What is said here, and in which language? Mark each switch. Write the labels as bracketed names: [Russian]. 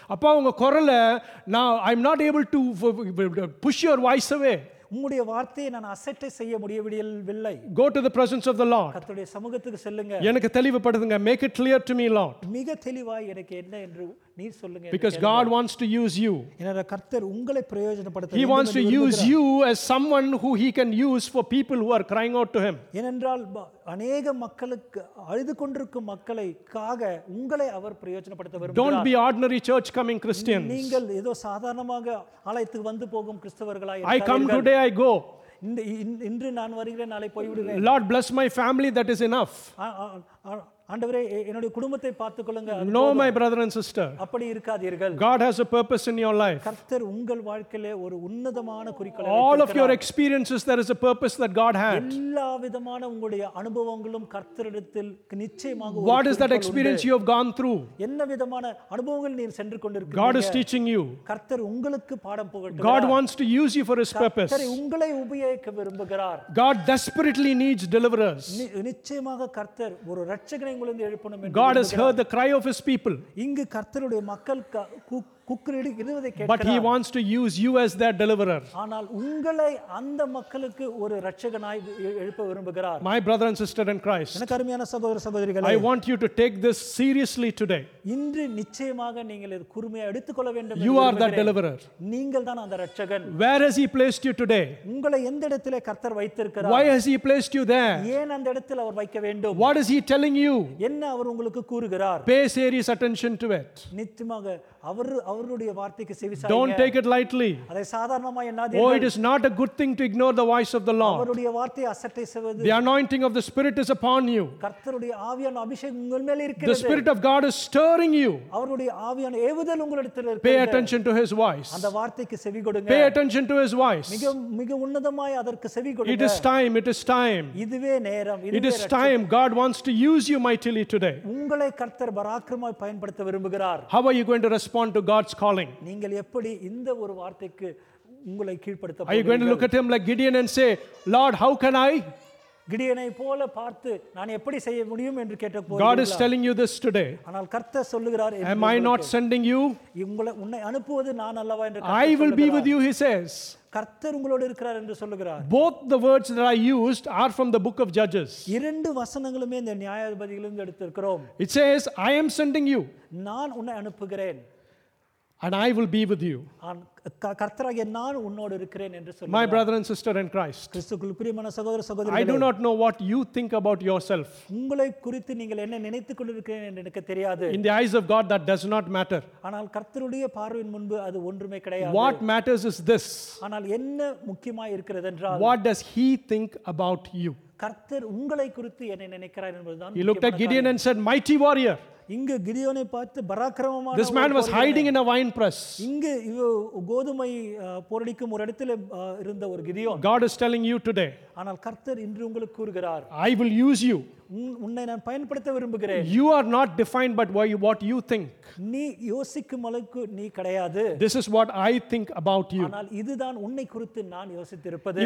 [Tamil] அப்பா உங்க குரலை நான் [English] I am not able to push your voice away. [Tamil] உம்முடைய வார்த்தையை நான் அசெட் செய்ய முடியவில்லை. [English] Go to the presence of the Lord. [Tamil] கர்த்தருடைய சமூகத்துக்கு செல்லுங்க. எனக்கு தெளிவுபடுதுங்க. [English] Make it clear to me, Lord. [Tamil] மிக தெளிவாய் எனக்கு என்ன என்று நீர் சொல்லுங்க. [English] Because God wants to use you. [Tamil] என்ற கர்த்தர் உங்களை பிரயோஜனப்படுத்த [English] He wants to use you as someone who he can use for people who are crying out to him. [Tamil] ஏனென்றால் அநேக மக்களுக்கு அழுது கொண்டிருக்கும் மக்களுக்காக உங்களை அவர் பிரயோஜனப்படுத்த விரும்புகிறார். [English] Don't be ordinary church coming Christians. [Tamil] நீங்கள் ஏதோ சாதாரணமாக ஆலயத்துக்கு வந்து போகும் கிறிஸ்தவர்களாய் [English] I come today I go. [Tamil] இன்று நான் வருகிறேன், நாளை போய் விடுறேன். [English] Lord bless my family, that is enough. [Tamil] ஆண்டவரே என்னுடைய குடும்பத்தை பார்த்துக்கொள்ளுங்க. [English] No my brother and sister. [Tamil] அப்படி இருக்காதீர்கள். [English] God has a purpose in your life. [Tamil] கர்த்தர் உங்கள் வாழ்க்கையிலே ஒரு உன்னதமான குறிக்கோளை வைத்திருக்கிறார். [English] All of your experiences there is a purpose that God had. [Tamil] எல்லா விதமான உங்களுடைய அனுபவங்களும் கர்த்தரிடத்தில் நிச்சயமாக ஒரு [English] What is that experience you have gone through? [Tamil] என்ன விதமான அனுபவங்கள் நீர் சென்று கொண்டிருக்கிறீர்கள்? [English] God is teaching you. [Tamil] கர்த்தர் உங்களுக்கு பாடம் புகட்டுகிறார். [English] God wants to use you for his purpose. [Tamil] கர்த்தர் உங்களை உபயோகிக்க விரும்புகிறார். [English] God desperately needs deliverers. [Tamil] நிச்சயமாக கர்த்தர் ஒரு இரட்சகர் [English] God has heard the cry of his people. [Tamil] இங்கு கர்த்தருடைய மக்கள் குக்கிரடி இருவதை கேட்கிறார். [English] But he wants to use you as their deliverer. [Tamil] ஆனால் உங்களை அந்த மக்களுக்கு ஒரு இரட்சகனாய் எழுப்ப விரும்புகிறார். [English] My brother and sister in Christ. [Tamil] எனக்கு அருமையான சகோதர சகோதரிகளே, [English] I want you to take this seriously today. [Tamil] இன்று நிச்சயமாக நீங்கள் இது குறுமையா எடுத்துக்கொள்ள வேண்டும். [English] You are that deliverer. [Tamil] நீங்கள் தான் அந்த இரட்சகன். [English] Where has he placed you today? [Tamil] உங்களை எந்த இடத்திலே கர்த்தர் வைத்திருக்கிறார்? [English] Why has he placed you there? [Tamil] ஏன் அந்த இடத்தில் அவர் வைக்க வேண்டும்? [English] What is he telling you? [Tamil] என்ன அவர் உங்களுக்கு கூறுகிறார்? [English] Pay serious attention to it. [Tamil] நிச்சயமாக அவருடைய வார்த்தைக்கு செவிசாய்ங்க. [English] Don't take it lightly. [Tamil] அதை சாதாரணமா எண்ணாதீர்கள். [English] Oh, it is not a good thing to ignore the voice of the Lord. [Tamil] அவருடைய வார்த்தையை அசட்டை செய்வது. [English] The anointing of the Spirit is upon you. [Tamil] கர்த்தருடைய ஆவியான அபிஷேகம் உங்கள் மேல் இருக்கிறது. [English] The Spirit of God is stirring you. [Tamil] அவருடைய ஆவியான ஏவுதல் உங்களிடத்தில் இருக்கிறது. [English] Pay attention to his voice. [Tamil] அந்த வார்த்தைக்கு செவி கொடுங்க. [English] Pay attention to his voice. [Tamil] மிக மிக உன்னதமாய் அதற்கு செவி கொடுங்க. [English] It is time. It is time. [Tamil] இதுவே நேரம். [English] It is time. God wants to use you mightily today. [Tamil] உங்களை கர்த்தர் பராக்கிரமாய் பயன்படுத்த விரும்புகிறார். [English] How are you going to respond to God's calling? [Tamil] நீங்கள் எப்படி இந்த ஒரு வார்த்தைக்கு உங்களை கீழ்ப்படுத்த போகிறீர்கள்? [English] Are you going to look at him like Gideon and say, Lord, how can I? [Tamil] கிடியனை போல பார்த்து நான் எப்படி செய்ய முடியும் என்று கேட்ட போது [English] God is telling you this today. [Tamil] ஆனால் கர்த்தர் சொல்கிறார், [English] Am I not sending you? [Tamil] உங்களை உன்னை அனுப்புவது நான் அல்லவா என்று கர்த்தர் சொல்கிறார். [English] I will be with you, he says. [Tamil] கர்த்தர் உங்களோடு இருக்கிறார் என்று சொல்கிறார். [English] Both the words that I used are from the book of Judges. [Tamil] இரண்டு வசனங்களுமே இந்த நியாயாதிபதிகளிலிருந்து எடுத்திருக்கிறோம். [English] It says, I am sending you. [Tamil] நான் உன்னை அனுப்புகிறேன். [English] And I will be with you. [Tamil] கர்த்தராகிய நான் உன்னோடு இருக்கிறேன் என்று சொல்கிறார். [English] My brother and sister in Christ. [Tamil] கிறிஸ்துவுக்குள் பிரியமான சகோதர சகோதரிகளே, [English] I do not know what you think about yourself. [Tamil] உங்களை குறித்து நீங்கள் என்ன நினைத்துக் கொண்டிருக்கிறீர்கள் என்று எனக்கு தெரியாது. [English] In the eyes of God, that does not matter. [Tamil] ஆனால் கர்த்தருடைய பார்வையின் முன்பு அது ஒன்றுமே கிடையாது. [English] What matters is this. [Tamil] ஆனால் என்ன முக்கியமாக இருக்கிறது என்றால், [English] What does he think about you? [Tamil] கர்த்தர் உங்களை குறித்து என்ன நினைக்கிறார் என்பதுதான். [English] He looked at Gideon and said, Mighty warrior. [Tamil] இங்கு கிரியோனை பார்த்து பராக்கிரமமான [English] This man was hiding in a wine press. [Tamil] இங்கு கோதுமை போரடிக்கும் ஒரு இடத்துல இருந்த ஒரு Creon. [English] God is telling you today. [Tamil] ஆனால் கர்த்தர் இன்று உங்களுக்கு கூறுகிறார், [English] I will use you. [Tamil] உன்னை நான் பயன்படுத்த விரும்புகிறேன். [English] You are not defined by what you think. [Tamil] நீ யோசிக்கும் அளவுக்கு நீ கிடையாது. [English] This is what I think about you. [Tamil] ஆனால் இதுதான் உன்னை குறித்து நான் யோசித்திருப்பது.